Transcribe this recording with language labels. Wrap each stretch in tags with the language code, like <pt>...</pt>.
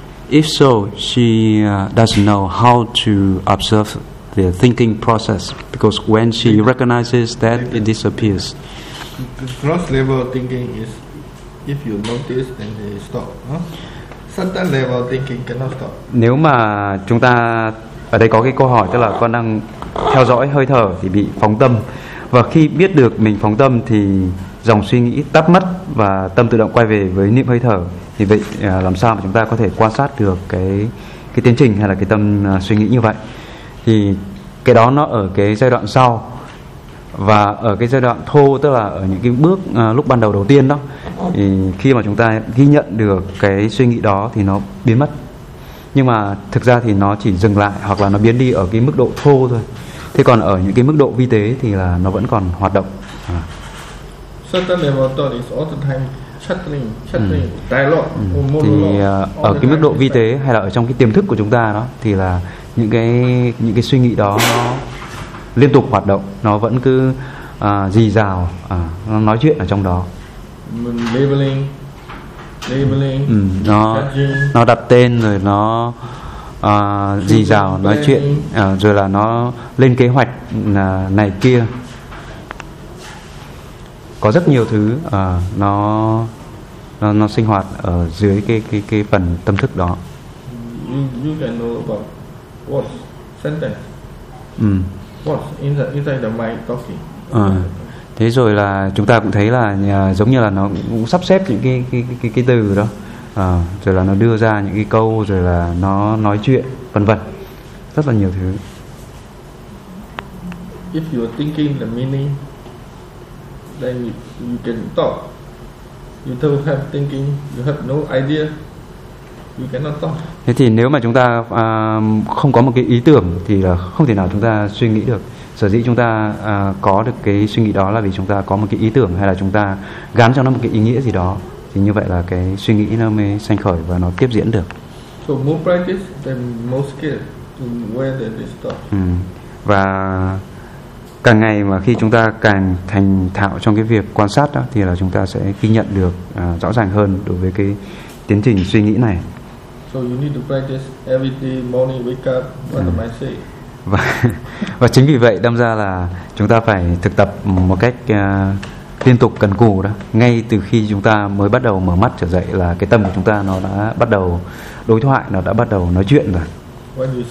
<en>If so, she doesn't know how to observe the thinking process, because when she recognizes that, it disappears. The cross level thinking is if you notice then they stop. Sometimes level thinking cannot stop.</en> <vi>Nếu mà chúng ta ở đây có cái câu hỏi, tức là con đang theo dõi hơi thở thì bị phóng tâm, và khi biết được mình phóng tâm thì dòng suy nghĩ tắt mất và tâm tự động quay về với niệm hơi thở, thì vậy làm sao mà chúng ta có thể quan sát được cái tiến trình hay là cái tâm suy nghĩ như vậy? Thì cái đó nó ở cái giai đoạn sau. Và ở cái giai đoạn thô, tức là ở những cái bước lúc ban đầu tiên đó, thì khi mà chúng ta ghi nhận được cái suy nghĩ đó thì nó biến mất. Nhưng mà thực ra thì nó chỉ dừng lại hoặc là nó biến đi ở cái mức độ thô thôi. Thế còn ở những cái mức độ vi tế thì là nó vẫn còn hoạt động.</vi> <en>Certain level thought is all the time chattering.</en> <vi>Thì ở cái mức độ vi tế hay là ở trong cái tiềm thức của chúng ta đó, thì là những cái suy nghĩ đó nó liên tục hoạt động, nó vẫn cứ rì rào, nó nói chuyện ở trong đó.</vi> <en>Labeling,</en> <vi>nó đặt tên rồi nó rì rào nói chuyện, rồi là nó lên kế hoạch này kia, có rất nhiều thứ nó sinh hoạt ở dưới cái phần tâm thức đó.</vi> <en>You can know about words, sentence. Words inside the mind talking.</en> <vi>Thế rồi là chúng ta cũng thấy là giống như là nó cũng sắp xếp những cái từ đó, rồi là nó đưa ra những cái câu, rồi là nó nói chuyện vân vân, rất là nhiều thứ.</vi> <en>If you are thinking the meaning, then you can talk. You don't have thinking, you have no idea.</en> <vi>Thế thì nếu mà chúng ta không có một cái ý tưởng thì là không thể nào chúng ta suy nghĩ được. Sở dĩ chúng ta có được cái suy nghĩ đó là vì chúng ta có một cái ý tưởng, hay là chúng ta gắn cho nó một cái ý nghĩa gì đó, thì như vậy là cái suy nghĩ nó mới sanh khởi và nó tiếp diễn được.</vi> <en>So more practice than more skill to where they stop.</en> <vi>Và càng ngày mà khi chúng ta càng thành thạo trong cái việc quan sát đó, thì là chúng ta sẽ ghi nhận được rõ ràng hơn đối với cái tiến trình suy nghĩ này.</vi> <en>So you need to practice every day, morning, wake up, what am I saying?</en> <vi>Và chính vì vậy đâm ra là chúng ta phải thực tập một cách liên tục cần cù đó. Ngay từ khi chúng ta mới bắt đầu mở mắt trở dậy là cái tâm của chúng ta nó đã bắt đầu đối thoại, nó đã bắt đầu nói chuyện rồi.</vi>